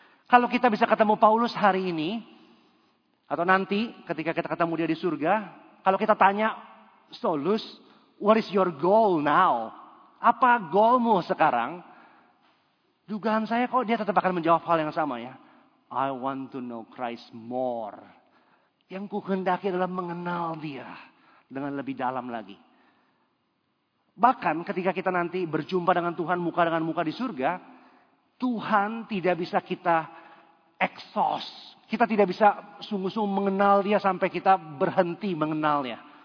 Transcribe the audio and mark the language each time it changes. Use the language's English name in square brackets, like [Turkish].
[Indonesian] Kalau kita bisa ketemu Paulus hari ini, atau nanti ketika kita ketemu dia di surga, kalau kita tanya, Solus, [English] what is your goal now? [Indonesian] Apa goalmu sekarang? Dugaan saya kok dia tetap akan menjawab hal yang sama ya. [English] I want to know Christ more. [Indonesian] Yang ku kehendaki adalah mengenal dia dengan lebih dalam lagi. Bahkan ketika kita nanti berjumpa dengan Tuhan muka dengan muka di surga, Tuhan tidak bisa kita exhaust. Kita tidak bisa sungguh-sungguh mengenal dia sampai kita berhenti mengenalnya.